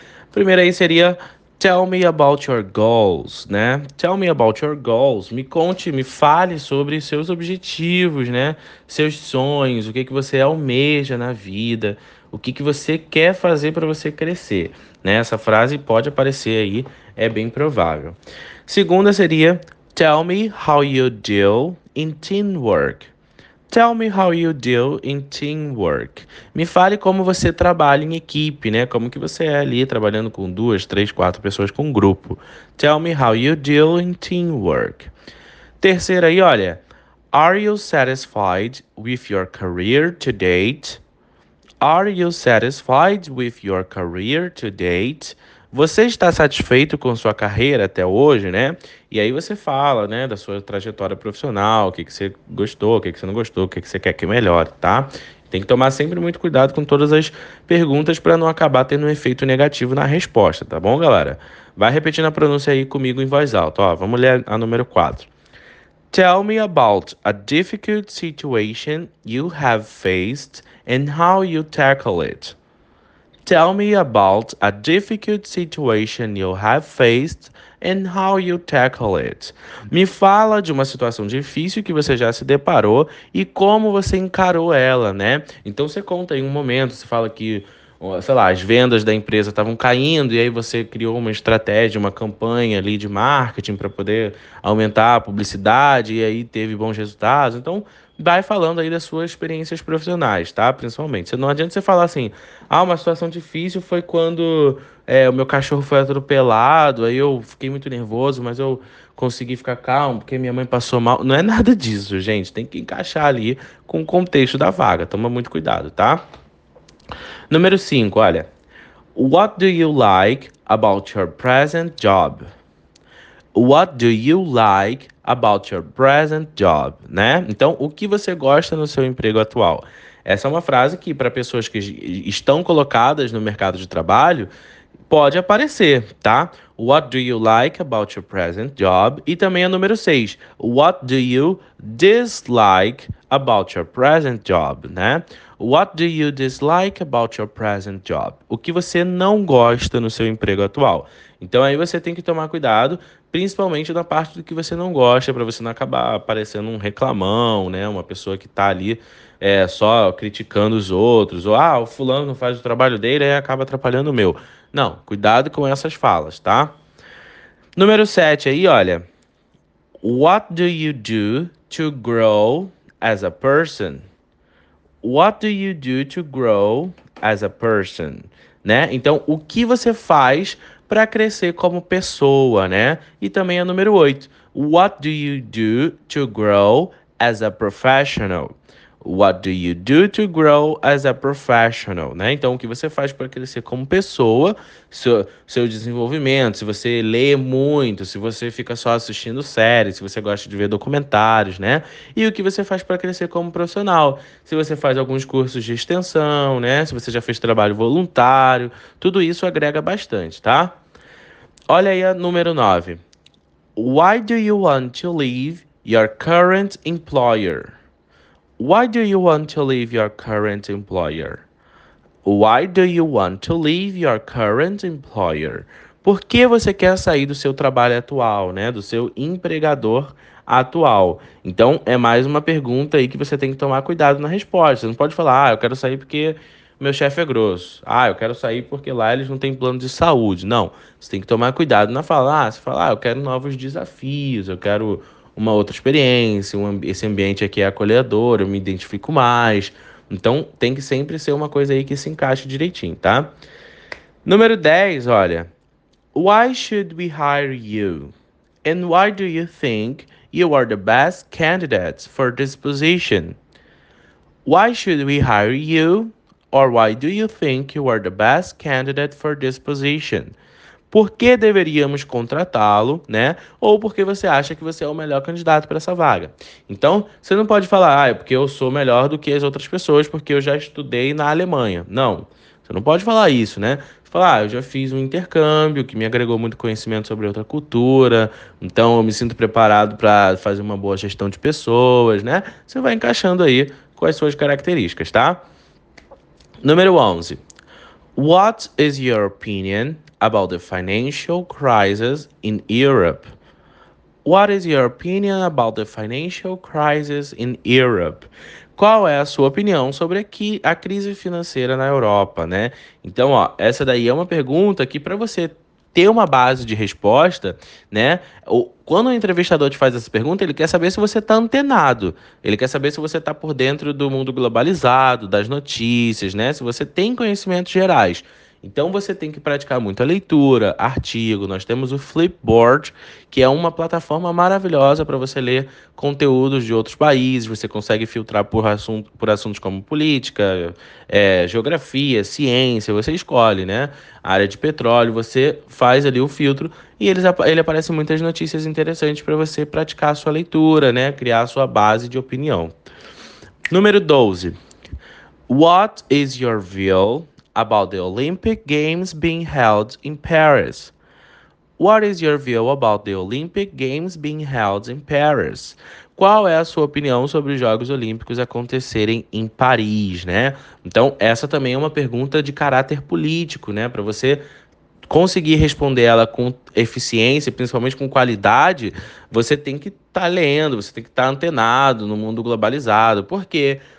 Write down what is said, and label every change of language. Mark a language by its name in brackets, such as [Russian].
[Portuguese] Primeiro aí seria [English] Tell me about your goals, né? Tell me about your goals. [Portuguese] Me conte, me fale sobre seus objetivos, né? Seus sonhos, o que que você almeja na vida, o que que você quer fazer para você crescer, né? Essa frase pode aparecer aí, é bem provável. Segunda seria [English] Tell me how you deal in teamwork. Tell me how you deal in teamwork. [Portuguese] Me fale como você trabalha em equipe, né? Como que você é ali trabalhando com duas, três, quatro pessoas com um grupo. [English] Tell me how you deal in teamwork. [Portuguese] Terceira aí, olha. [English] Are you satisfied with your career to date? Are you satisfied with your career to date? [Portuguese] Você está satisfeito com sua carreira até hoje, né? E aí você fala, né, da sua trajetória profissional, o que que você gostou, o que que você não gostou, o que que você quer que melhore, tá? Tem que tomar sempre muito cuidado com todas as perguntas para não acabar tendo um efeito negativo na resposta, tá bom, galera? Vai repetindo a pronúncia aí comigo em voz alta. Ó, vamos ler a número 4. [English] Tell me about a difficult situation you have faced and how you tackle it. Tell me about a difficult situation you have faced and how you tackle it. [Portuguese] Me fala de uma situação difícil que você já se deparou e como você encarou ela, né? Então você conta em um momento, você fala que, sei lá, as vendas da empresa estavam caindo e aí você criou uma estratégia, uma campanha ali de marketing para poder aumentar a publicidade e aí teve bons resultados. Então, vai falando aí das suas experiências profissionais, tá? Principalmente. Não adianta você falar assim, ah, uma situação difícil foi quando o meu cachorro foi atropelado, aí eu fiquei muito nervoso, mas eu consegui ficar calmo porque minha mãe passou mal. Não é nada disso, gente. Tem que encaixar ali com o contexto da vaga. Toma muito cuidado, tá? Número 5, olha. [English] What do you like about your present job? What do you like about your present job, né? [Portuguese] Então, o que você gosta no seu emprego atual? Essa é uma frase que, para pessoas que estão colocadas no mercado de trabalho, pode aparecer, tá? [English] What do you like about your present job? [Portuguese] E também a número 6, [English] What do you dislike about your present job, né? What do you dislike about your present job? [Portuguese] O que você não gosta no seu emprego atual? Então aí você tem que tomar cuidado, principalmente na parte do que você não gosta, para você não acabar aparecendo um reclamão, né? Uma pessoa que tá ali só criticando os outros, ou ah, o fulano não faz o trabalho dele, aí acaba atrapalhando o meu. Não, cuidado com essas falas, tá? Número 7 aí, olha. [English] What do you do to grow as a person? What do you do to grow as a person? [Portuguese] Né? Então, o que você faz para crescer como pessoa, né? E também é número 8. [English] What do you do to grow as a professional? What do you do to grow as a professional? [Portuguese] Né? Então, o que você faz para crescer como pessoa, seu desenvolvimento, se você lê muito, se você fica só assistindo séries, se você gosta de ver documentários, né? E o que você faz para crescer como profissional? Se você faz alguns cursos de extensão, né? Se você já fez trabalho voluntário, tudo isso agrega bastante, tá? Olha aí a número 9. [English] Why do you want to leave your current employer? Why do you want to leave your current employer? Why do you want to leave your current employer? [Portuguese] Por que você quer sair do seu trabalho atual, né? Do seu empregador atual? Então, é mais uma pergunta aí que você tem que tomar cuidado na resposta. Você não pode falar, ah, eu quero sair porque meu chefe é grosso. Ah, eu quero sair porque lá eles não têm plano de saúde. Não. Você tem que tomar cuidado na fala. Ah, você fala, ah, eu quero novos desafios, eu quero uma outra experiência, esse ambiente aqui é acolhedor, eu me identifico mais. Então, tem que sempre ser uma coisa aí que se encaixe direitinho, tá? Número 10, olha. [English] Why should we hire you? And why do you think you are the best candidates for this position? Why should we hire you? Or why do you think you are the best candidate for this position? [Portuguese] Por que deveríamos contratá-lo, né? Ou porque você acha que você é o melhor candidato para essa vaga? Então, você não pode falar, ah, é porque eu sou melhor do que as outras pessoas, porque eu já estudei na Alemanha. Não, você não pode falar isso, né? Falar, ah, eu já fiz um intercâmbio que me agregou muito conhecimento sobre outra cultura, então eu me sinto preparado para fazer uma boa gestão de pessoas, né? Você vai encaixando aí com as suas características, tá? Número 11. [English] What is your opinion about the financial crisis in Europe? What is your opinion about the financial crisis in Europe? [Portuguese] Qual é a sua opinião sobre a crise financeira na Europa, né? Então, ó, essa daí é uma pergunta que para você ter uma base de resposta, né? Quando o entrevistador te faz essa pergunta, ele quer saber se você está antenado. Ele quer saber se você está por dentro do mundo globalizado, das notícias, né? Se você tem conhecimentos gerais. Então você tem que praticar muito a leitura, artigo. Nós temos o Flipboard, que é uma plataforma maravilhosa para você ler conteúdos de outros países. Você consegue filtrar por assuntos como política, geografia, ciência. Você escolhe, né? Área de petróleo. Você faz ali o filtro e ele aparece muitas notícias interessantes para você praticar a sua leitura, né? Criar a sua base de opinião. Número 12. [English] What is your view about the Olympic Games being held in Paris? What is your view about the Olympic Games being held in Paris? [Portuguese] Qual é a sua opinião sobre os Jogos Olímpicos acontecerem em Paris, né? Então, essa também é uma pergunta de caráter político, né? Para você conseguir responder ela com eficiência, principalmente com qualidade, você tem que estar lendo, você tem que estar antenado no mundo globalizado. Por quê?